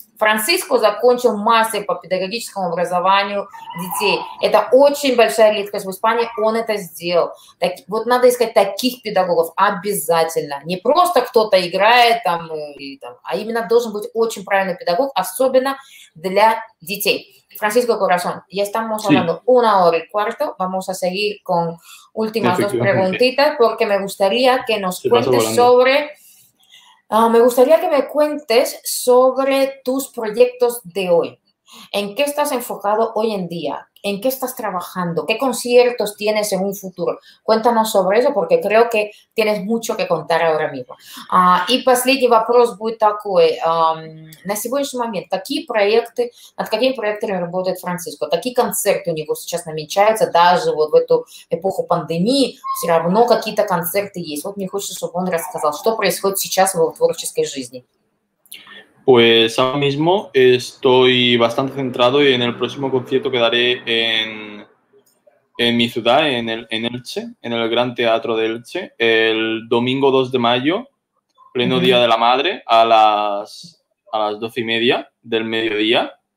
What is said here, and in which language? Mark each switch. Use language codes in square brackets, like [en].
[ru] Франциско закончил мастер по педагогическому образованию детей. Это очень большая редкость в Испании, он это сделал. Так, вот надо искать таких педагогов обязательно. Не просто кто-то играет, там, а именно должен быть очень правильный педагог, особенно для детей. [es] Francisco Corazón, ya estamos hablando una hora y cuarto. Vamos a seguir con últimas dos preguntitas porque me gustaría que nos cuentes sobre. Me gustaría que me cuentes sobre tus proyectos de hoy. ¿En qué estás enfocado hoy en día? ¿En qué estás trabajando? ¿Qué conciertos tienes en un futuro? Cuéntanos sobre eso porque creo que tienes mucho que contar ahora mismo. [ru] Y последний вопрос будет такой. На сегодняшний момент, какие проекты, над какими проектами работает Франциско? Какие концерты у него сейчас намечаются, даже вот в эту эпоху пандемии, все равно какие-то концерты есть. Вот мне хочется, чтобы он рассказал, что происходит сейчас в его творческой жизни. [es] Pues ahora mismo estoy bastante centrado en el próximo concierto que daré en mi ciudad, en Elche, en el Gran Teatro de Elche, el domingo 2 de mayo, pleno Día de la Madre, a las 12:30 del mediodía.